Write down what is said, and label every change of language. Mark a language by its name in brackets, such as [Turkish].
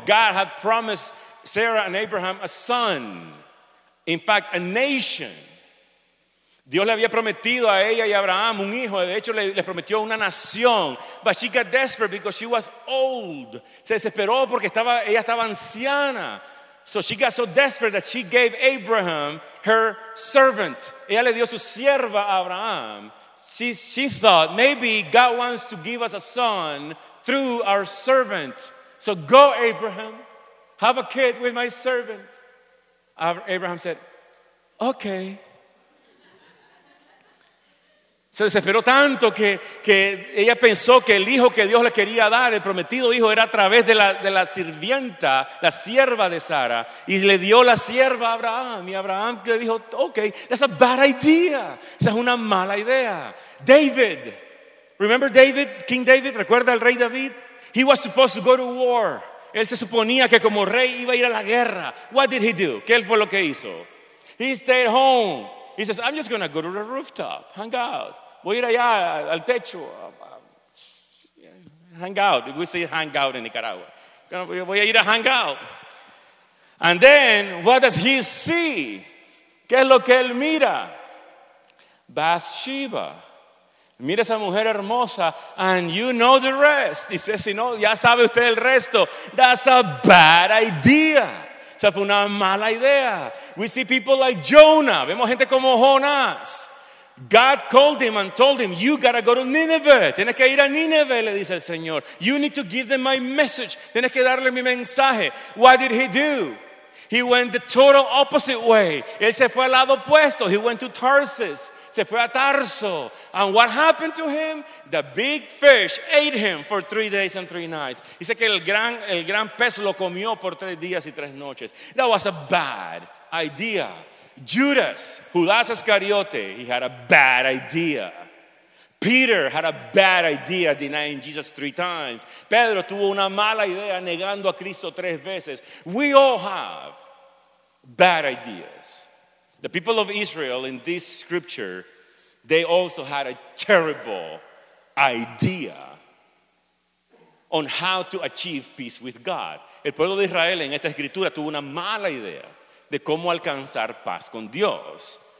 [English] God had promised Sarah and Abraham a son. In fact, a nation. [Spanish] Dios le había prometido a ella y a Abraham un hijo. De hecho, le prometió una nación. [English] But she got desperate because she was old. [Spanish] Se desesperó porque ella estaba anciana. [English] So she got so desperate that she gave Abraham her servant. [Spanish] Ella le dio su sierva a Abraham. [English] She thought, maybe God wants to give us a son through our servant. So go, Abraham, have a kid with my servant. Abraham said, okay. [Spanish] Se desesperó tanto que ella pensó que el hijo que Dios le quería dar, el prometido hijo, era a través de la sirvienta, la sierva de Sara, y le dio la sierva a Abraham. Y Abraham le dijo, ok, [English] that's a bad idea. [Spanish] Esa es una mala idea. [English] David, remember David, King David, [Spanish] ¿recuerda al rey David? [English] He was supposed to go to war. [Spanish] Él se suponía que como rey iba a ir a la guerra. [English] What did he do? [Spanish] ¿Qué fue lo que hizo? [English] He stayed home. He says, I'm just going to go to the rooftop, hang out. [Spanish] Voy a ir allá al techo. [English] Hang out. We say hang out in Nicaragua. [Spanish] Voy a ir a [English] hang out. And then, what does he see? [Spanish] ¿Qué es lo que él mira? Bathsheba. Mira esa mujer hermosa. [English] And you know the rest. [Spanish] Dice, si no, ya sabe usted el resto. [English] That's a bad idea. [Spanish] O sea, fue una mala idea. [English] We see people like Jonah. [Spanish] Vemos gente como Jonás. [English] God called him and told him, you gotta go to Nineveh. [Spanish] Tienes que ir a Nineveh, le dice el Señor. [English] You need to give them my message. [Spanish] Tienes que darle mi mensaje. [English] What did he do? He went the total opposite way. [Spanish] Él se fue al lado opuesto. [English] He went to Tarsus. [Spanish] Se fue a Tarso. [English] And what happened to him? The big fish ate him for 3 days and 3 nights. [Spanish] Dice que el gran pez lo comió por 3 días y 3 noches. [English] That was a bad idea. Judas, Judas Iscariote, he had a bad idea. Peter had a bad idea denying Jesus 3 times. [Spanish] Pedro tuvo una mala idea negando a Cristo 3 veces. [English] We all have bad ideas. The people of Israel in this scripture, they also had a terrible idea on how to achieve peace with God. [Spanish] El pueblo de Israel en esta escritura tuvo una mala idea de cómo alcanzar paz con Dios.